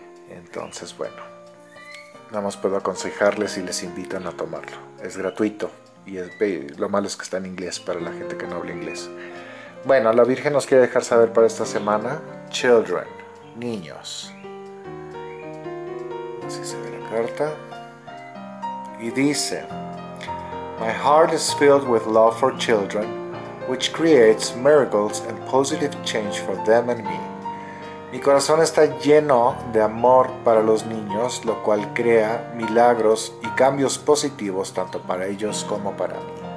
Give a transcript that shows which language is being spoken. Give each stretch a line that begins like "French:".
Spanish: Entonces bueno, nada más puedo aconsejarles y les invitan a tomarlo. Es gratuito y lo malo es que está en inglés para la gente que no habla inglés. Bueno, la Virgen nos quiere dejar saber para esta semana: Children, niños. Así se ve la carta. Y dice:
English: My heart is filled with love for children, which creates miracles and positive change for them and me.
Spanish: Mi corazón está lleno de amor para los niños, lo cual crea milagros y cambios positivos tanto para ellos como para mí.